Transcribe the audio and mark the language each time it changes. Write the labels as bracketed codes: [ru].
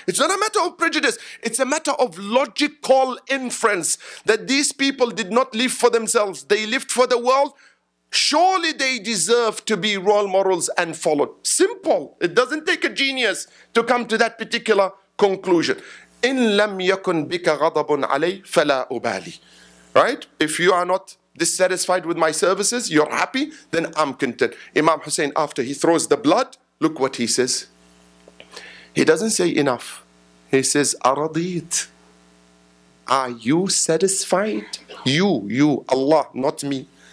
[en] It's not a matter of prejudice. It's a matter of logical inference that these people did not live for themselves. They lived for the world. Surely they deserve to be role models and followed. Simple. It doesn't take a genius to come to that particular conclusion. [ar] إن لم يكن بك غضب علي فلا أبالي. [en] Right? If you are not dissatisfied with my services, you're happy, then I'm content. Imam Hussein, after he throws the blood, look what he says. He doesn't say enough. He says, أرضيت. Are you satisfied? You, Allah, not me.